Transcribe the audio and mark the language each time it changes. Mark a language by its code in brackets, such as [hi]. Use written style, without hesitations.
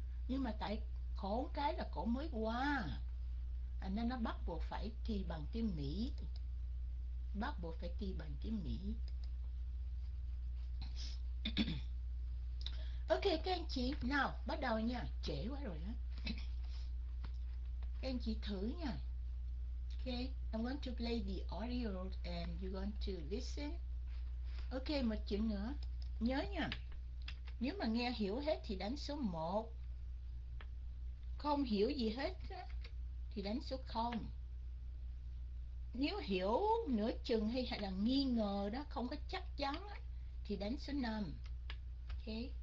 [vi] Nhưng mà tại khổ cái là cổ mới qua, anh nên nó bắt buộc phải thi bằng tiếng Mỹ. Bắt buộc phải thi bằng tiếng Mỹ. Ok các anh chị, nào bắt đầu nha, trễ quá rồi đó. Các anh chị thử nha. [en] Ok, I want to play the audio and you want to listen. [vi] Ok, một chữ nữa. Nhớ nha. Nếu mà nghe hiểu hết thì đánh số 1. Không hiểu gì hết thì đánh số 0. Nếu hiểu nửa chừng hay là nghi ngờ đó, không có chắc chắn thì đánh số 5. Ok.